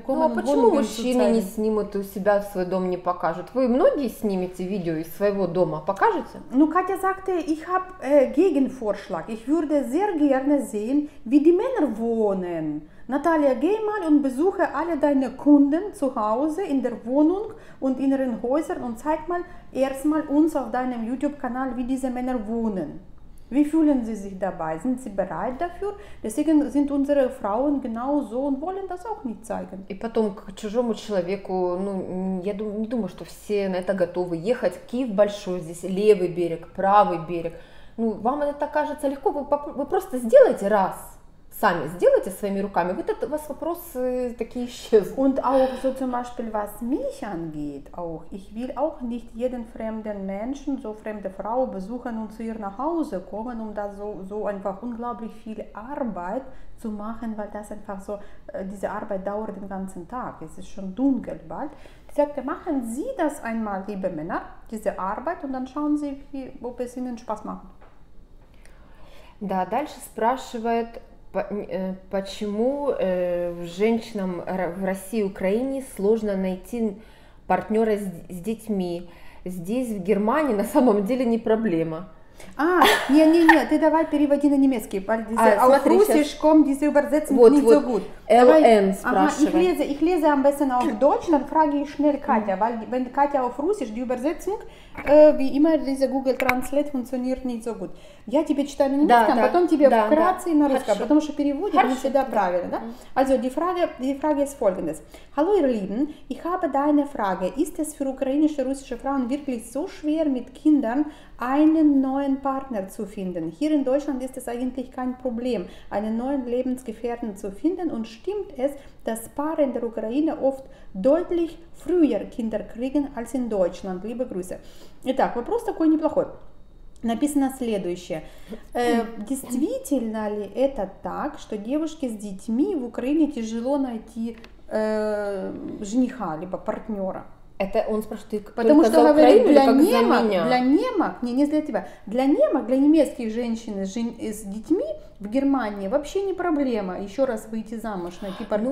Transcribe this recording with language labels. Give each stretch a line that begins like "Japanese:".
Russian: Kommen ну, а почему мужчины не снимут у себя в свой дом, не покажут? Вы многие снимете видео из своего дома, покажете?
German: Ну, Катя sagte, ich habe Gegenvorschlag. Ich würde sehr gerne sehen, wie die Männer wohnen. Natalia, geh mal und besuche alle deine Kunden zu Hause in der Wohnung und in ihren Häusern und zeig mal erstmal uns auf deinem YouTube-Kanal, wie diese Männer wohnen. Wie fühlen sie sich dabei? Sind sie bereit dafür? Deswegen sind unsere Frauen genau so und wollen das auch nicht zeigen.
Russian: И потом к чужому человеку, ну, я не думаю, что все на это готовы ехать. Киев большой, здесь левый берег, правый берег. Ну, вам это кажется легко, вы просто сделайте раз. Сами сделайте своими руками. Вот это у вас вопросы такие исчезнут.
German: Und auch so zum Beispiel, was mich angeht, auch, ich will auch nicht jeden fremden Menschen, so fremde Frau besuchen und zu ihr nach Hause kommen, um da so einfach unglaublich viel Arbeit zu machen, weil das einfach so, diese Arbeit dauert den ganzen Tag. Es ist schon dunkel bald. Ich sagte, machen Sie das einmal, liebe Männer, diese Arbeit, und dann schauen Sie, ob es Ihnen Spaß macht.
Russian: Da, дальше спрашивает... Почему женщинам в России и Украине сложно найти партнера с детьми? Здесь, в Германии, на самом деле не проблема. А, не-не-не, ты давай переводи на немецкий.
German: Русишком, diese Übersetzung вот, nicht so gut.
Russian: LN спрашивает.
German: Ich lese am besten auf Deutsch, dann frage ich schnell Katja, weil wenn Katja auf Russisch die Übersetzung, wie immer, diese Google Translate funktioniert nicht so gut.
Russian: Я тебе читаю на немецком, потом тебе вкратце на русском, потому что переводит не всегда правильно. Да?
German: Also, die Frage ist folgendes. Hallo ihr Lieben, ich habe deine Frage. Ist es für ukrainische, russische Frauen wirklich so schwer mit Kindern, einen neuen Partner zu finden? Hier in Deutschland ist es eigentlich kein Problem, einen neuen Lebensgefährten zu finden. Und stimmt es, dass Paare in der Ukraine oft deutlich früher Kinder kriegen als in Deutschland? Liebe Grüße.
Russian: Итак, вопрос такой неплохой. Написано следующее. Действительно ли это так, что девушке с детьми в Украине тяжело найти жениха, либо партнера? Это он спрашивает, потому что говорит, для немецких женщин с детьми в Германии вообще не проблема еще раз выйти замуж, найти партнера.